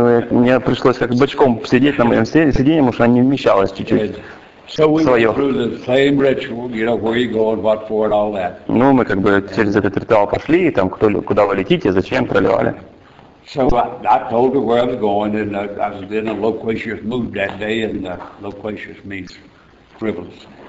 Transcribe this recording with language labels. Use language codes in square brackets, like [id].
[ru] Мне пришлось как бочком сидеть на моем сиденье, потому что она не вмещалась чуть-чуть. [en] Yeah. So we went through the same ritual, you know, where you go and what for and all that. [ru] Ну, мы как бы через этот ритуал пошли, и там кто куда вы летите, зачем проливали. [en] So I told her where I was going, and I was in a loquacious mood that day, and loquacious means frivolous.